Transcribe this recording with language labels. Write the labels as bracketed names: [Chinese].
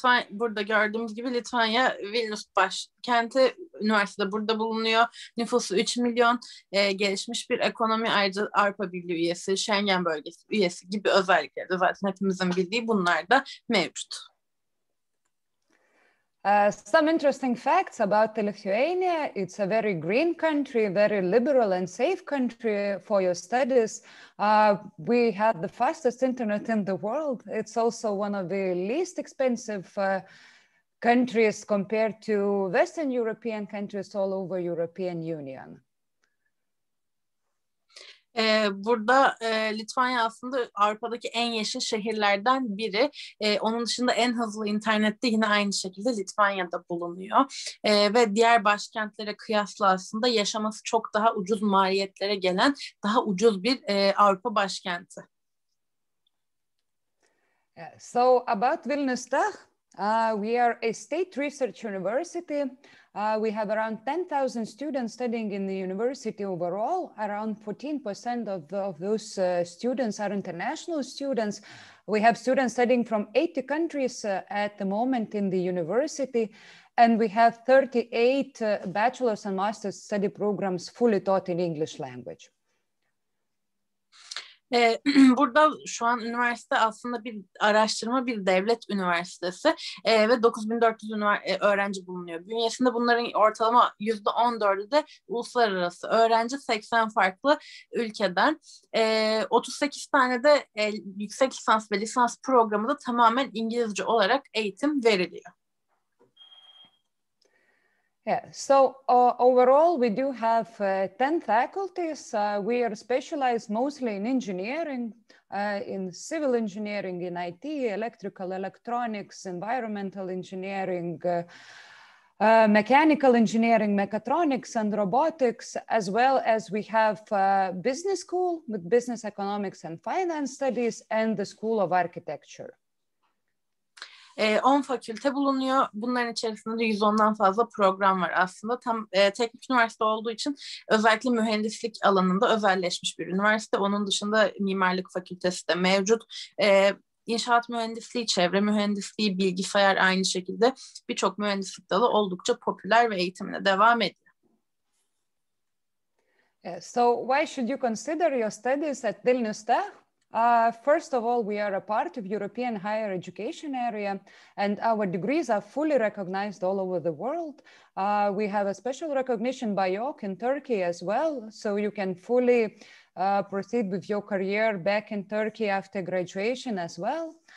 [Turkish] Burada gördüğümüz gibi Litvanya Vilnius başkenti, üniversitede burada bulunuyor. Nüfusu 3 milyon, gelişmiş bir ekonomi, ayrıca Avrupa Birliği üyesi, Schengen bölgesi üyesi gibi özellikleri de zaten hepimizin bildiği bunlar da mevcut. [English] Some interesting facts about Lithuania. It's a very green country, very liberal and safe country for your studies. We have the fastest internet in the world. It's also one of the least expensive countries compared to Western European countries all over European Union. [Turkish] Burada Litvanya aslında Avrupa'daki en yeşil şehirlerden biri. Onun dışında en hızlı internette yine aynı şekilde Litvanya'da bulunuyor. Ve diğer başkentlere kıyasla aslında yaşaması çok daha ucuz maliyetlere gelen daha ucuz bir Avrupa başkenti. [English] So about Vilnius Tech, we are a state research university. We have around 10,000 students studying in the university overall. Around 14% of those students are international students. We have students studying from 80 countries at the moment in the university. And we have 38 bachelor's and master's study programs fully taught in English language. [Turkish] Burada şu an üniversite aslında bir araştırma, bir devlet üniversitesi ve 9400 öğrenci bulunuyor. Bünyesinde bunların ortalama %14'ü de uluslararası öğrenci, 80 farklı ülkeden. 38 tane de yüksek lisans ve lisans programı da tamamen İngilizce olarak eğitim veriliyor. [English] Yeah, so overall we do have 10 faculties. We are specialized mostly in engineering, in civil engineering, in IT, electrical, electronics, environmental engineering, mechanical engineering, mechatronics and robotics, as well as we have business school with business economics and finance studies and the school of architecture. [Turkish] 10 fakülte bulunuyor. Bunların içerisinde de 110'dan fazla program var aslında. Tam teknik üniversite olduğu için özellikle mühendislik alanında özelleşmiş bir üniversite. Onun dışında mimarlık fakültesi de mevcut. İnşaat mühendisliği, çevre mühendisliği, bilgisayar aynı şekilde birçok mühendislik dalı oldukça popüler ve eğitimine devam ediyor. [English] So why should you consider your studies at Vilnius Tech? First of all, we are a part of European higher education area and our degrees are fully recognized all over the world. We have a special recognition by YÖK in Turkey as well, so you can fully proceed with your career back in Turkey after graduation as well.